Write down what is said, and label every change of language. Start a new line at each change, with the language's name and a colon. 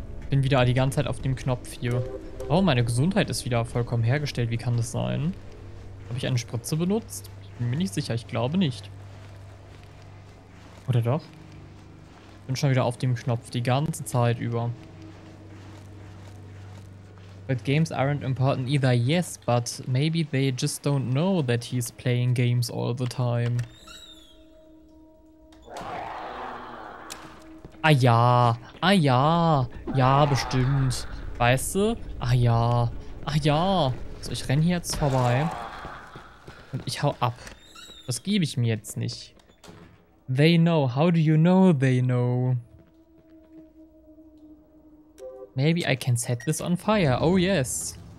German: Bin wieder die ganze Zeit auf dem Knopf hier. Oh, meine Gesundheit ist wieder vollkommen hergestellt. Wie kann das sein? Habe ich eine Spritze benutzt? Ich bin mir nicht sicher. Ich glaube nicht. Oder doch? Bin schon wieder auf dem Knopf die ganze Zeit über.
English: But games aren't important either. Yes, but maybe they just don't know that he's playing games all the time.
German: Ah ja, ah ja, ja bestimmt, weißt du, ah ja, ah ja. So, ich renne hier jetzt vorbei und ich hau ab. Das gebe ich mir jetzt nicht.
English: They know, how do you know they know? Maybe I can set this on fire, oh yes.